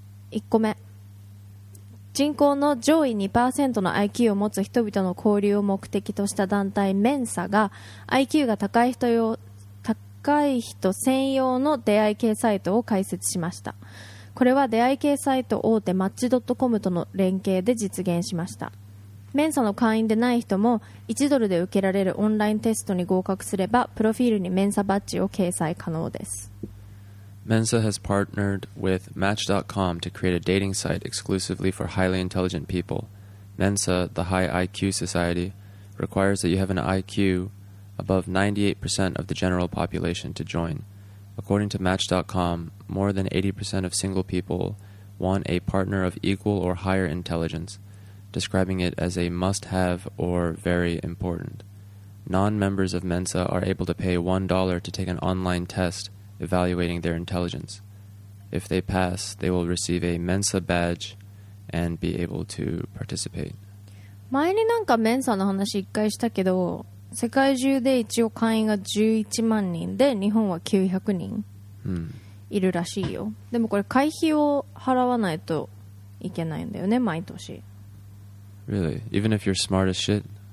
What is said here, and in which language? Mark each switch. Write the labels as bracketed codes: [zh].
[ja] 1個目、人口の上位 2% の IQ を持つ人々の交流を目的とした団体メンサが、 IQ が高い人用、高い人専用の出会い系サイトを開設しました。これは出会い系サイト大手マッチドットコムとの連携で実現しました。メンサの会員でない人も1ドルで受けられるオンラインテストに合格すれば、プロフィールにメンサバッジを掲載可能です。 [en] Mensa has partnered with Match.com to create a dating site exclusively for highly intelligent people. Mensa, the high IQ society, requires that you have an IQ above 98% of the general population to join. According to Match.com, more than 80% of single people want a partner of equal or higher intelligence, describing it as a must-have or very important. Non-members of Mensa are able to pay $1 to take an online test evaluating their intelligence. If they pass, they will receive a Mensa badge and be able to participate. [ja] 前になんかメンサの話一回したけど、世界中で一応会員が11万人で、日本は900人いるらしいよ。でもこれ会費を払わないといけないんだよね、毎年。 [en] Really? Even if you're smart as shit?